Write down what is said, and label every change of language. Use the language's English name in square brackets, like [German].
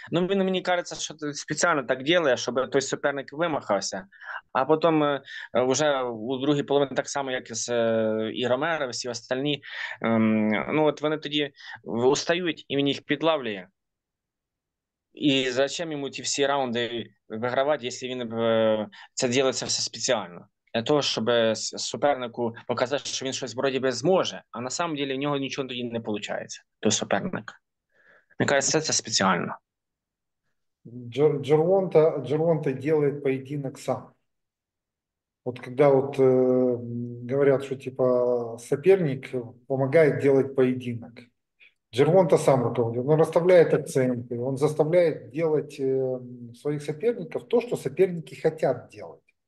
[Russian] Ну, мне кажется, что ты специально так делаешь, чтобы той соперник вымахался. А потом уже у другой половины так само, как и Ромеро, все остальные. Ну, вот они тогда устают, и меня их подлавливают. [Ukrainian] І зачем йому ті всі раунди вигравати, якщо він це робить все спеціально? Для того, щоб супернику показати, що він щось вроді би зможе, [Russian] а на самом деле [Ukrainian] в нього нічого тоді не виходить, той суперник. Мені кажется, це спеціально. [Russian] Джервонта делает поединок сам. Вот когда вот говорят, что типа соперник помогает делать поединок, Джервонта сам руководит, он расставляет акценты, он заставляет делать своих соперников то, что соперники хотят делать.